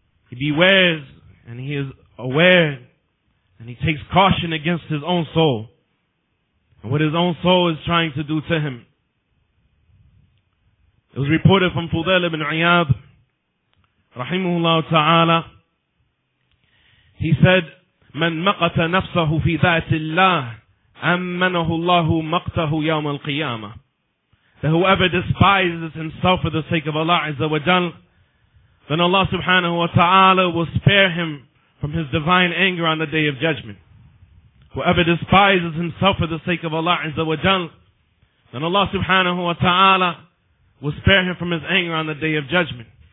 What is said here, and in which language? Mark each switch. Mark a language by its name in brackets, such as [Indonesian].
[English] He bewares and he is aware and he takes caution against his own soul and what his own soul is trying to do to him. It was reported from Fudail ibn Iyad, rahimahullah ta'ala. He said, [Arabic] مَنْ مَقَتَ نَفْسَهُ فِي ذَاتِ اللَّهِ أَمَّنَهُ اللَّهُ مَقْتَهُ يَوْمَ الْقِيَامَةِ. [English] That whoever despises himself for the sake of Allah Azza wa Jal, then Allah subhanahu wa ta'ala will spare him from his divine anger on the Day of Judgment. Whoever despises himself for the sake of Allah Azza wa Jal, then Allah subhanahu wa ta'ala will spare him from his anger on the Day of Judgment.